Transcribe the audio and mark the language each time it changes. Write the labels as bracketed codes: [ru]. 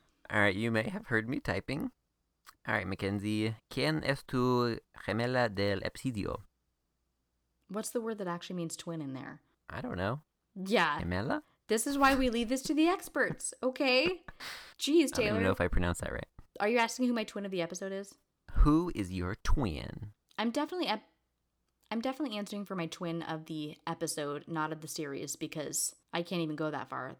[en] All right. You may have heard me typing. [es] All right, Mackenzie, ¿quién es tu gemela del episodio? [en] What's the word that actually means twin in there? I don't know. Yeah. [es] Gemela? [en] This is why we leave this to the experts, okay? Jeez, Taylor. I don't know if I pronounced that right. Are you asking who my twin of the episode is? Who is your twin? I'm definitely I'm definitely answering for my twin of the episode, not of the series, because I can't even go that far.